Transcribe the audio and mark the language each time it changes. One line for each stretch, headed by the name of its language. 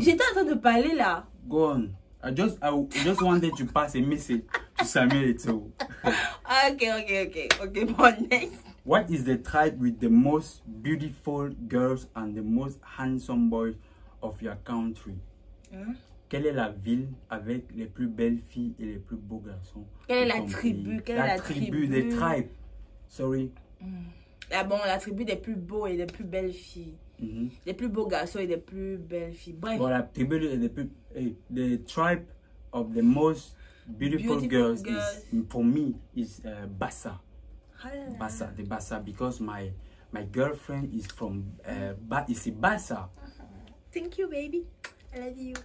French: J'étais en train de parler là.
English: Go on. I just wanted to pass a message to Samuel too. Okay. Bon, next. What is the tribe with the most beautiful girls and the most handsome boys of your country?
French: Quelle est la ville avec les plus belles filles et les plus beaux garçons? Quelle est la tribu? La tribu des tribes.
English: Sorry.
French: La tribu des plus beaux et des plus belles filles. Mm-hmm. Les plus beaux garçons et des plus belles filles. Bref. Bon, la tribu des plus.
English: The tribe of the most beautiful girls is, for me, is Bassa. Bassa, the Bassa, because my girlfriend is from Bassa. Thank you, baby. I love you.